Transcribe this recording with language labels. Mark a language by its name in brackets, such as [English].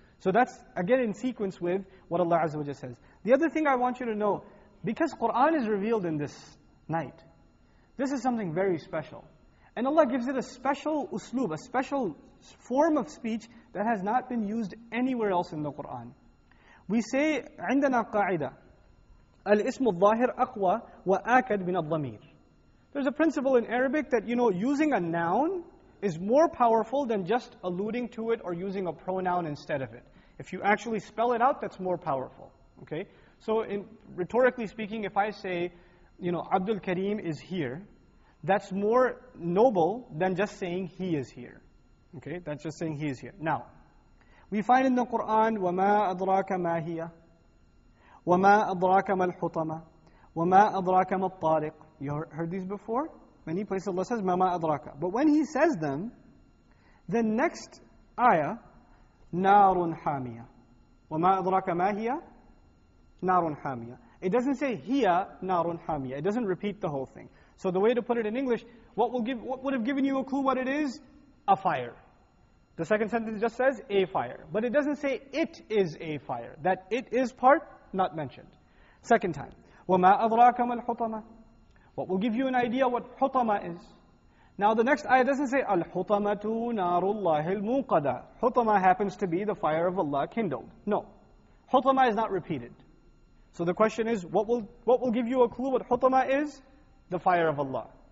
[English] So that's again in sequence with what Allah Azza wa Jalla says. The other thing I want you to know, because Qur'an is revealed in this night, this is something very special. And Allah gives it a special usloob, a special form of speech that has not been used anywhere else in the Qur'an. We say, [Arabic] عندنا قاعدة الاسم الظاهر أقوى وآكد من الضمير. [English] There's a principle in Arabic that, you know, using a noun is more powerful than just alluding to it or using a pronoun instead of it. If you actually spell it out, that's more powerful. Okay? So, in rhetorically speaking, if I say, you know, Abdul Karim is here, that's more noble than just saying he is here. Okay? That's just saying he is here. Now, we find in the Quran, [Arabic] وَمَا أَدْرَاكَ مَا هِيَ وَمَا أَدْرَاكَ مَا الْحُطَمَ وَمَا أَدْرَاكَ مَا الطَّارِقَ. [English] You heard these before? Many places Allah says, [Arabic] مَمَا أَدْرَاكَ. [English] But when He says them, the next ayah, [Arabic] نَارٌ حَامِيَةٌ وَمَا أَدْرَاكَ مَا هِيَ نَارٌ حَامِيَةٌ. [English] It doesn't say, [Arabic] هِيَ نَارٌ حَامِيَةٌ. [English] It doesn't repeat the whole thing. So the way to put it in English, what would have given you a clue what it is? A fire. The second sentence just says, a fire. But it doesn't say, it is a fire. That it is part, not mentioned. Second time, [Arabic] وَمَا أَدْرَاكَ مَا الْحُطَمَةٌ. [English] What will give you an idea what hutama is? Now the next ayah doesn't say [Arabic] al-hutamatu narullahi al-muqada. [English] Hutama happens to be the fire of Allah kindled. No. Hutama is not repeated. So the question is, what will give you a clue what hutama is? The fire of Allah.